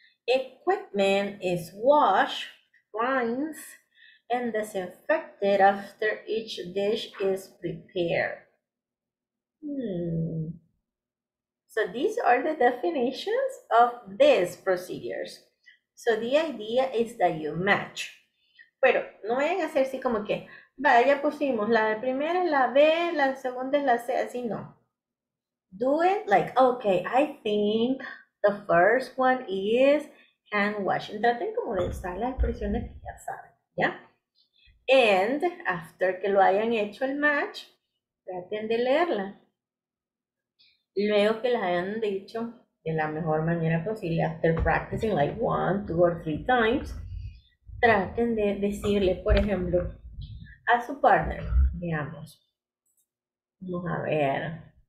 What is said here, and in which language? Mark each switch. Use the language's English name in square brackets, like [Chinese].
[English] Equipment is washed, cleansed, and disinfected after each dish is prepared. So these are the definitions of these procedures. So the idea is that you match. [Spanish] Pero no vayan a hacer así como que, vaya, ya pusimos la primera es la B, la segunda es la C, así no. [English] Do it like, okay, I think the first one is hand washing. [Spanish] Traten como de usar las expresiones que ya saben, ¿ya? [English] And after [Spanish] que lo hayan hecho el match, traten de leerla. Luego que las hayan dicho de la mejor manera posible, [English] after practicing like one, two or three times, [Spanish] traten de decirle, por ejemplo, a su partner, veamos, vamos a ver,